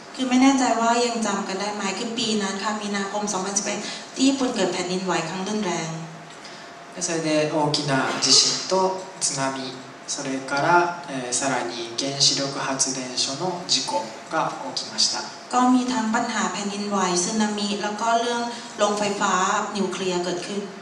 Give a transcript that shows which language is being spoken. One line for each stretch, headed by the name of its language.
Thai: คือไม่แน่ใจว่ายังจำกันได้ไหมคือปีนั้นค่ะมีนาคม2011ที่ญี่ปุ่นเกิดแผ่นดินไหวครั้งรุนแรง
Japanese: それで大きな地震と津波それからさらに原子力発電所の事故が起きました
Thai: ก็มีทั้งปัญหาแผ่นดินไหวสึนามิแล้วก็เรื่องโรงไฟฟ้านิวเคลียร์เกิดขึ้น